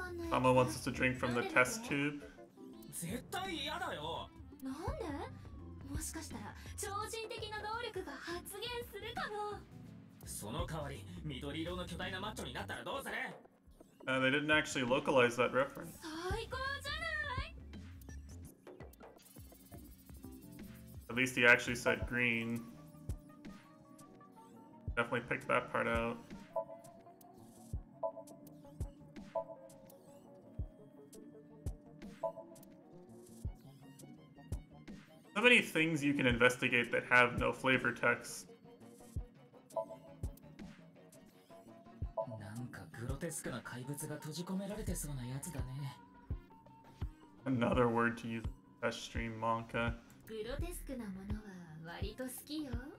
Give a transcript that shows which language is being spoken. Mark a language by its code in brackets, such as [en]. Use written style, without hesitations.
[en] Tama wants us to drink from the test tube. [ja] 絶対嫌だよ。なんで？もしかしたら超人的な能力が発現するかも。その代わり緑色の巨大なマッチョになったらどうする？ [en] They didn't actually localize that reference. [ja] 最高じゃない。 [en] At least he actually said green. Definitely picked that part out. So many things you can investigate that have no flavor text. [ja] グロテスクな怪物が閉じ込められてそうなやつだね。 [en] Another word to use a stream manga. [ja] グロテスクなものは割と好きよ。